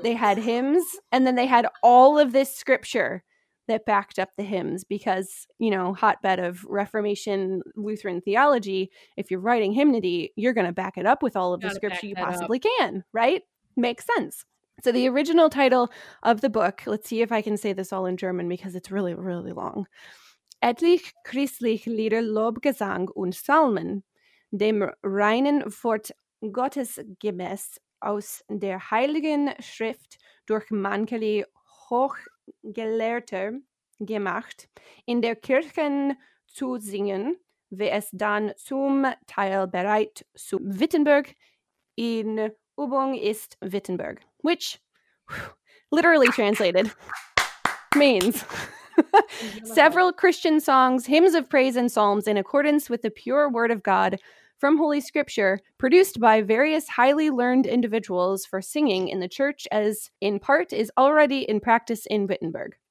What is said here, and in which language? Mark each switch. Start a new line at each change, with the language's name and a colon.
English: They had hymns, and then they had all of this scripture that backed up the hymns because, you know, hotbed of Reformation Lutheran theology, if you're writing hymnody, you're going to back it up with all of the scripture you possibly can, right? Makes sense. So the original title of the book, let's see if I can say this all in German because it's really, really long.
German: Etlich Christlich Lieder Lobgesang und Psalmen dem reinen Wort Gottes gemäß aus der Heiligen Schrift durch mancherlei hoch Gelehrte gemacht, in der Kirchen zu singen, wie es dann zum Teil bereit zu Wittenberg in Übung ist Wittenberg.
English: Which, literally translated, means several Christian songs, hymns of praise and psalms in accordance with the pure word of God from Holy Scripture, produced by various highly learned individuals for singing in the church, as in part is already in practice in Wittenberg.